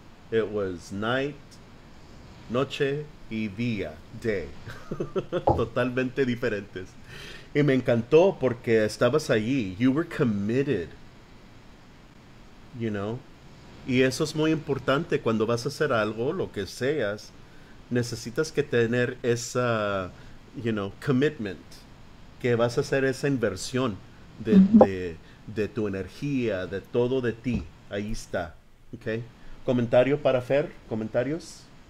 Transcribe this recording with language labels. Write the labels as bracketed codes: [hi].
[en] It was night, [es] noche y día, [en] day. [es] Totalmente diferentes. Y me encantó porque estabas allí. [en] You were committed, you know. [es] Y eso es muy importante cuando vas a hacer algo, lo que seas. Necesitas que tener esa, [en] you know, [es] commitment. Que vas a hacer esa inversión de tu energía, de todo de ti. Ahí está, okay. ¿Comentario para Fer? ¿Comentarios?